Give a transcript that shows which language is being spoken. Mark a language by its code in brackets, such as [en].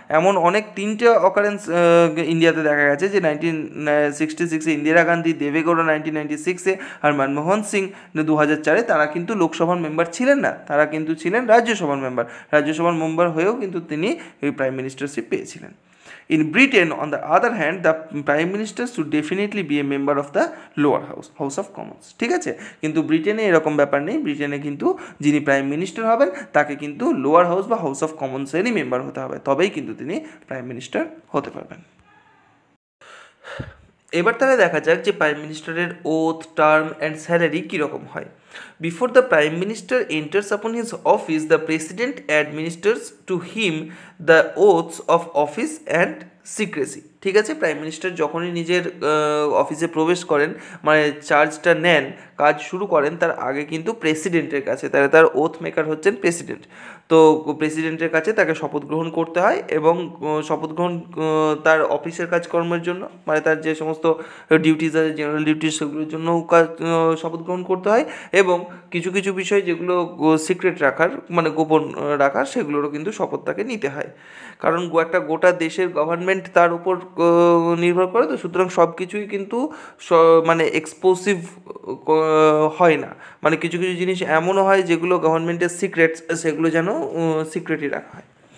[bn] এমন অনেক 3টে অকারেন্স ইন্ডিয়াতে দেখা গেছে যে 1966 ইন্দিরা গান্ধী, দেবেগৌড়া 1996 আর মনমোহন সিং 2004 তারা কিন্তু লোকসভার মেম্বার ছিলেন না, তারা কিন্তু ছিলেন রাজ্যসভার মেম্বার, রাজ্যসভার মেম্বার হয়েও কিন্তু তিনি ওই প্রাইম মিনিস্টারশিপ পেয়েছিলেন। [en] In Britain, on the other hand, the Prime Minister should definitely be a member of the lower house, House of Commons. [bn] ঠিক আছে, কিন্তু ব্রিটেনে এরকম ব্যাপার নেই, ব্রিটেনে কিন্তু যিনি প্রাইম মিনিস্টার হবেন তাকে কিন্তু লোয়ার হাউস বা হাউস অফ কমন্সেরই মেম্বার হতে হবে, তবেই কিন্তু তিনি প্রাইম মিনিস্টার হতে পারবেন। এবার তাহলে দেখা যাক যে প্রাইম মিনিস্টারের ওথ, টার্ম অ্যান্ড স্যালারি কীরকম হয়। [en] Before the Prime Minister enters upon his office, the President administers to him the oaths of office and secrecy. [bn] ঠিক আছে, প্রাইম মিনিস্টার যখনই নিজের অফিসে প্রবেশ করেন, মানে চার্জটা নেন, কাজ শুরু করেন, তার আগে কিন্তু প্রেসিডেন্টের কাছে, তাহলে তার ওথ মেকার হচ্ছেন প্রেসিডেন্ট, তো প্রেসিডেন্টের কাছে তাকে শপথ গ্রহণ করতে হয়, এবং শপথ গ্রহণ তার অফিসের কাজকর্মের জন্য, মানে তার যে সমস্ত ডিউটিস আছে, জেনারেল ডিউটিস, সেগুলোর জন্য কাজ শপথ গ্রহণ করতে হয়, এবং কিছু কিছু বিষয় যেগুলো সিক্রেট রাখার, মানে গোপন রাখার, সেগুলোরও কিন্তু শপথ তাকে নিতে হয়, কারণ একটা গোটা দেশের গভর্নমেন্ট তার উপর নির্ভর করে, তো সুতরাং সব কিছুই কিন্তু মানে এক্সপ্লোসিভ হয় না, মানে কিছু কিছু জিনিস এমনও হয় যেগুলো গভর্নমেন্টের সিক্রেটস, সেগুলো যেন সিক্রেটই রাখা হয়।